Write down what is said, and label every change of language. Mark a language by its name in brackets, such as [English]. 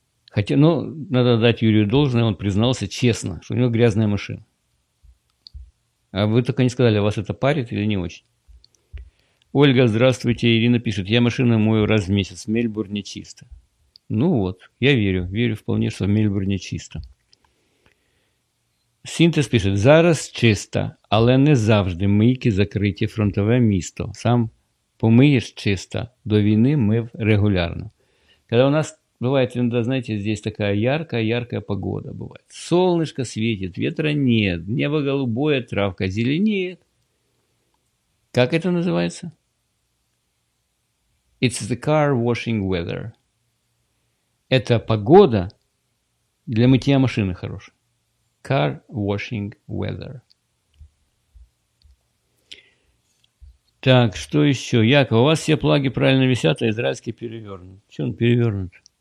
[Russian] Хотя, ну, надо дать Юрию должное, он признался честно, что у него грязная машина. А вы только не сказали, вас это парит или не очень? Ольга, здравствуйте. Ирина пишет, я машину мою раз в месяц, в Мельбурне чисто. Ну вот, я верю вполне, что в Мельбурне чисто. [Ukrainian] Синтез [Russian] пишет, [Ukrainian] зараз чисто, але не завжди мийки закриті фронтове місто. Сам помиєш чисто, до війни мив регулярно. [Russian] Когда у нас бывает, иногда, знаете, здесь такая яркая-яркая погода бывает. Солнышко светит, ветра нет, небо голубое, травка зеленеет. Как это называется? [English] It's the car washing weather. [Russian] Это погода для мытья машины хорошая. [English] Car washing weather. [Russian] Так, что еще? Яков, у вас все плаги правильно висят, а израильский перевернут. Чего он перевернут?